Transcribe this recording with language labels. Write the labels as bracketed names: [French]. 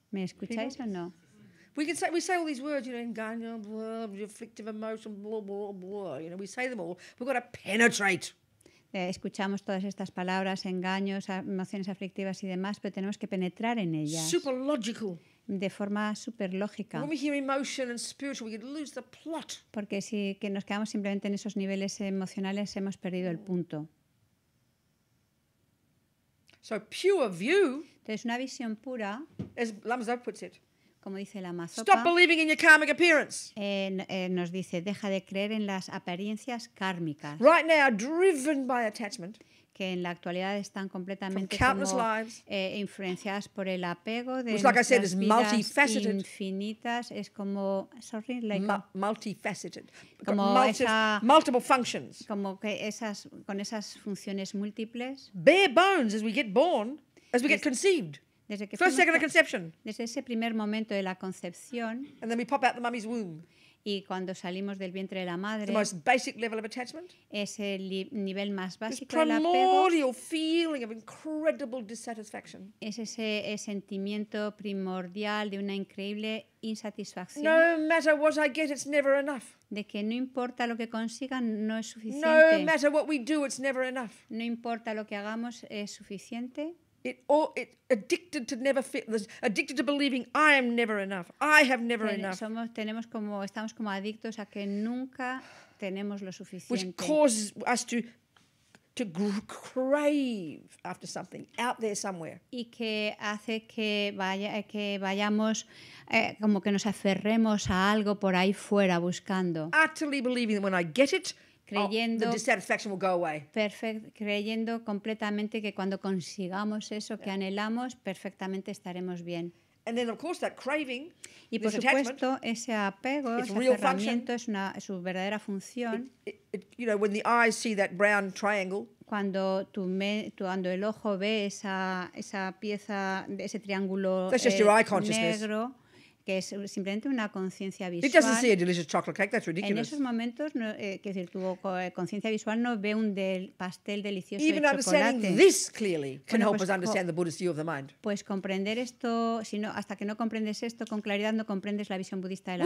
[Spanish] ¿Me escucháis o no? [English] We say all these words, you know, engaño, blah, reflective emotion, blah, blah, blah. You know, we say them all. We've got to penetrate. [Spanish] Escuchamos todas estas palabras, engaños, emociones aflictivas y demás, pero tenemos que penetrar en ellas. [English] Super logical. [Spanish] De forma super lógica. [English] When we hear emotion and spiritual, we could lose the plot. [Spanish] Porque si que nos quedamos simplemente en esos niveles emocionales, hemos perdido el punto. [English] So pure view. [Spanish] Entonces una visión pura. [English] As Lama Zopa puts it. [Spanish] Como dice Lama Zopa. [English] Stop believing in your karmic appearance. [Spanish] Nos dice, deja de creer en las apariencias kármicas. [English] Right now, driven by attachment. [Spanish] Que en la actualidad están completamente influenciadas por el apego de nuestras vidas infinitas. Es como, [English] multifaceted. [Spanish] Como [English] multiple functions. [Spanish] Como que esas, con esas funciones múltiples. [English] Bare bones as we get born, as we get conceived. [Spanish] Desde ese primer momento de la concepción. [English] And then we pop out the mummy's womb. [Spanish] Y cuando salimos del vientre de la madre, [English] the most basic level of attachment, [Spanish] es el nivel más básico del apego. [English] Primordial feeling of incredible dissatisfaction. [Spanish] Es ese sentimiento primordial de una increíble insatisfacción. [English] No matter what I get, it's never enough. [Spanish] De que no importa lo que consiga, no es suficiente. [English] No matter what we do, it's never enough. [Spanish] No importa lo que hagamos, es suficiente. [English] It addicted to never fit, addicted to believing I am never enough. I have never enough. [Spanish] Estamos como adictos a que nunca tenemos lo suficiente. [English] Which causes us to crave after something out there somewhere. [Spanish] Y que hace que nos aferremos a algo por ahí fuera buscando. [English] Utterly believing that when I get it, the dissatisfaction will go away. [Spanish] Creyendo completamente que cuando consigamos eso que anhelamos, perfectamente estaremos bien. [English] And then of course that craving, [Spanish] y por supuesto ese apego, ese aferramiento es su verdadera función. [English] When the eyes see that brown triangle, [Spanish] cuando cuando el ojo ve esa pieza de ese triángulo negro, que es simplemente una conciencia visual. [English] It doesn't see a delicious chocolate cake, that's ridiculous. [Spanish] En esos momentos, tu conciencia visual no ve un pastel delicioso de chocolate. [English] Even understanding this clearly can help us understand the Buddhist view of the mind. [Spanish] Pues comprender esto, hasta que no comprendes esto con claridad, no comprendes la visión budista de la